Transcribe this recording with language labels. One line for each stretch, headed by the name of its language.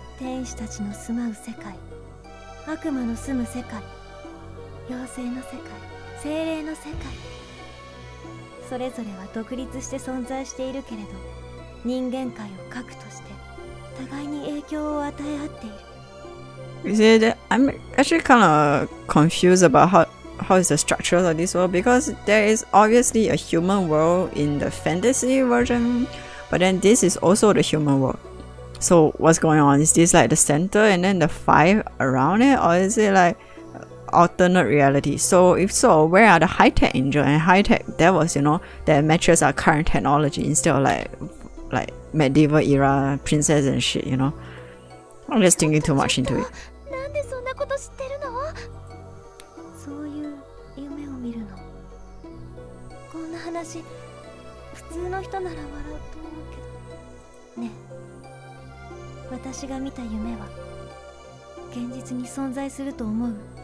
Japanese: 天使たちの住まう世界、悪魔の住む世界、妖精の世界、精霊の世界、それぞれは独立して存在しているけれど、人間界を核として互いに影響を与え合っている。
English: Is it? I'm actually kind of confused about how is the structure of this world, because there is obviously a human world in the fantasy version, but then this is also the human world. So what's going on? Is this like the center and then the five around it, or is it like alternate reality? So if so, where are the high tech angel and high tech devils, you know, that matches our current technology instead of like medieval era princess and shit, you know? I'm just thinking too much into it.
Japanese: なんでそんなこと知ってるの？そういう夢を見るの。こんな話、普通の人なら笑うと思うけど。ね、私が見た夢は現実に存在すると思う。